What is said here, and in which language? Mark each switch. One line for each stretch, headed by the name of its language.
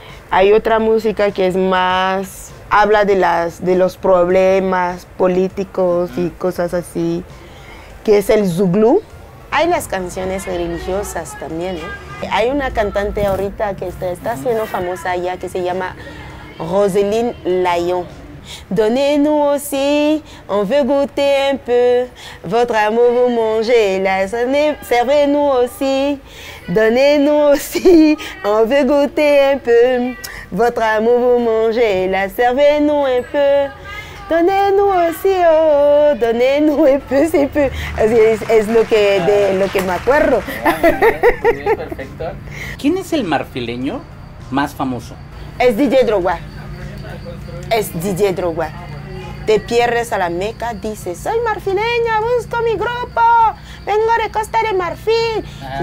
Spanish: Hay otra música que es más, habla de los problemas políticos y cosas así, que es el Zouglou. Hay las canciones religiosas también, ¿eh? Hay una cantante ahorita que está siendo famosa allá que se llama Roselyne Lyon.
French: Donnez-nous aussi, on veut goûter un peu, votre amour vous mangez là, servez-nous aussi, donnez-nous aussi, on veut goûter un peu, votre amour vous mangez là, servez-nous un peu, donnez-nous aussi, oh, donnez-nous un peu, si peu.
Spanish: Es lo que, de lo que me acuerdo. Perfecto. ¿Quién es el marfileño más famoso? Es DJ Drogba. Es DJ Drogba. Te pierdes a la Meca, dices, soy marfileña, busco mi grupo, vengo de Costa de Marfil. Ah.